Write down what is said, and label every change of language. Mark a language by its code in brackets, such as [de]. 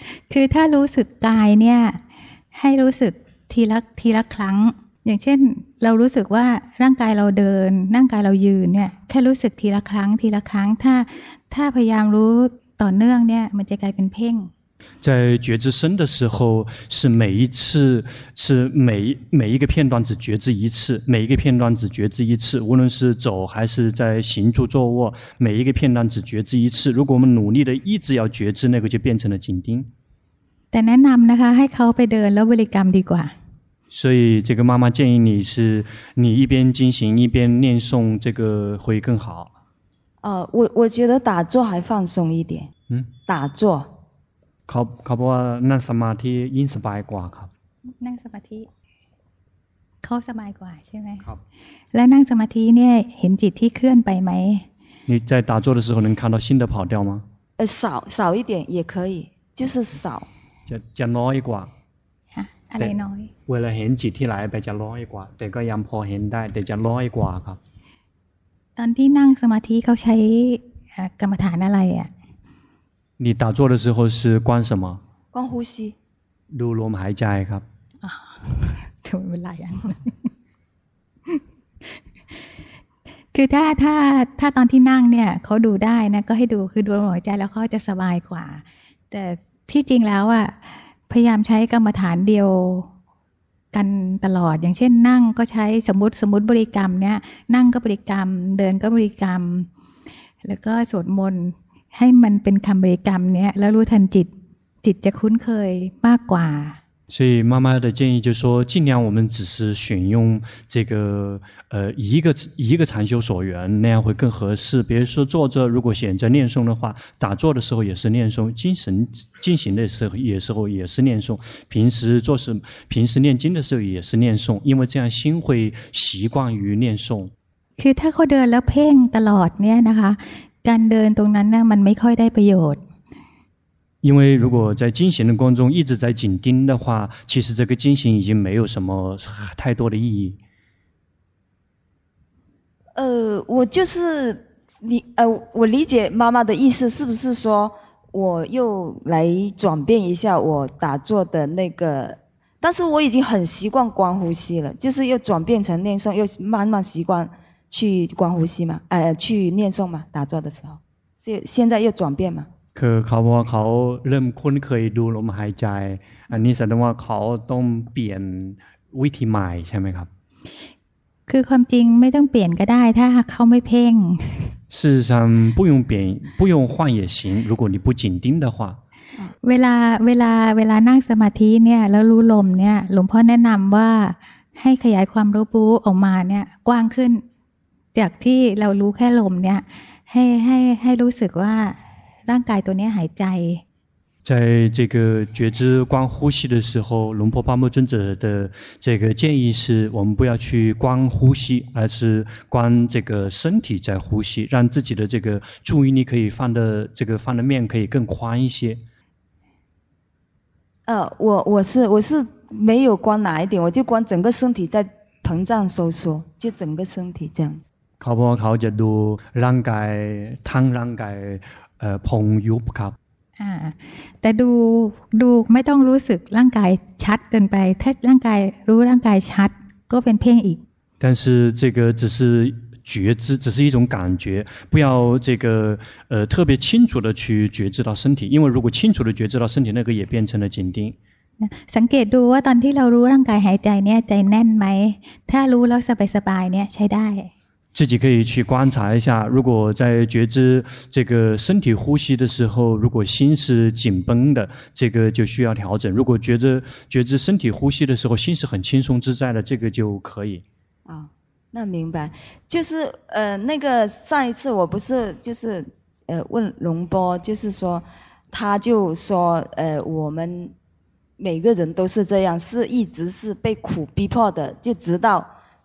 [th] คือถ้ารู้สึกกายเนี่ยให้รู้สึกทีละครั้งอย่างเช่นเรารู้สึกว่าร่างกายเราเดินร่างกายเรายืนเนี่ยแค่รู้สึกทีละครั้งถ้าพยายามรู้ต่อเนื่องเนี่ยมันจะกลายเป็นเพ่ง [zh] 在觉知身的时候是每一次是每一个片段只觉知一次每一个片段只觉知一次无论是走还是在行住坐卧每一个片段只觉知一次如果我们努力的一直要觉知那个就变成了紧盯 [th] แต่แนะนำนะคะให้เขาไปเดินแล้วบริกรรมดีกว่า [zh] 所以这个妈妈建议你是你一边进行一边念诵这个会更好我觉得打坐还放松一点打坐 [th] เขาบอกว่านั่งสมาธิยิ่งสบายกว่าครับ นั่งสมาธิเขาสบายกว่าใช่ไหม ครับ และนั่งสมาธิเนี่ยเห็นจิตที่เคลื่อนไปไหม [zh] 你在打坐的时候能看到心的跑掉吗少一点也可以就是少 [th] จะน้อยกว่า อะไรน้อย เวลาเห็นจิตที่ไหลไปจะร้อยกว่าแต่ก็ยังพอเห็นได้แต่จะร้อยกว่าครับ ตอนที่นั่งสมาธิเขาใช้กรรมฐานอะไรอ่ะ [zh] 你打坐的时候是观什么观呼吸 [th] ดูลมหายใจครับ ทำไมเป็นไรอ่ะคือถ้าตอนที่นั่งเนี่ยเขาดูได้นะก็ให้ดูคือดูลมหายใจแล้วเขาจะสบายกว่าแต่ที่จริงแล้วอ่ะพยายามใช้กรรมฐานเดียวกันตลอดอย่างเช่นนั่งก็ใช้สมมุติบริกรรมเนี่ยนั่งก็บริกรรมเดินก็บริกรรมแล้วก็สวดมนต์ให้มันเป็นคำบริกรรมเนี่ยแล้วรู้ทันจิตจะคุ้นเคยมากกว่า [zh] 所以妈妈的建议就是说，尽量我们只是选用这个一个禅修所缘那样会更合适。比如说坐着，如果选择念诵的话，打坐的时候也是念诵，进行的时候也是念诵，平时念经的时候也是念诵，因为这样心会习惯于念诵。 [th] คือถ้าเขาเดินแล้วเพ่งตลอดเนี่ยนะคะการเดินตรงนั้นน่ะมันไม่ค่อยได้ประโยชน์ [zh] 因为如果在进行的过程中一直在紧盯的话其实这个进行已经没有什么太多的意义我就是你我理解妈妈的意思是不是说我又来转变一下我打坐的那个但是我已经很习惯观呼吸了就是又转变成念诵又慢慢习惯去观呼吸嘛去念诵嘛打坐的时候现在又转变嘛 [th] คือเขาว่าเขาเริ่มคุ้นเคยดูลมหายใจอันนี้แสดงว่าเขาต้องเปลี่ยนวิธีใหม่ใช่ไหมครับ คือความจริงไม่ต้องเปลี่ยนก็ได้ถ้าเขาไม่เพ่ง [zh] 事实上不用变不用换也行如果你不紧盯的话 [th] เวลานั่งสมาธิเนี่ยแล้วรู้ลมเนี่ยหลวงพ่อแนะนำว่าให้ขยายความรู้บูออกมาเนี่ยกว้างขึ้นจากที่เรารู้แค่ลมเนี่ยให้รู้สึกว่าร่างกายตัวนี้หายใจ [zh] 在这个觉知观呼吸的时候，龙婆巴木尊者的这个建议是我们不要去观呼吸，而是观这个身体在呼吸，让自己的这个注意力可以放的这个放的面可以更宽一些。我是没有观哪一点，我就观整个身体在膨胀收缩，就整个身体这样。 [th] ครับผมเขาจะดูร่างกายทั้งร่างกายพองยุบครับ แต่ดูไม่ต้องรู้สึกร่างกายชัดเกินไปถ้าร่างกายรู้ร่างกายชัดก็เป็นเพ่งอีก [zh] 但是这个只是觉知只是一种感觉不要这个特别清楚的去觉知到身体因为如果清楚的觉知到身体那个也变成了紧盯 [th] สังเกตดูว่าตอนที่เรารู้ร่างกายหายใจเนี่ยใจแน่นไหมถ้ารู้แล้วสบายๆเนี่ยใช้ได้ [zh] 自己可以去观察一下，如果在觉知这个身体呼吸的时候，如果心是紧绷的，这个就需要调整；如果觉知身体呼吸的时候，心是很轻松自在的，这个就可以。啊、哦，那明白，就是那个上一次我不是就是问龙波，就是说他就说我们每个人都是这样，是一直是被苦逼迫的，就直到。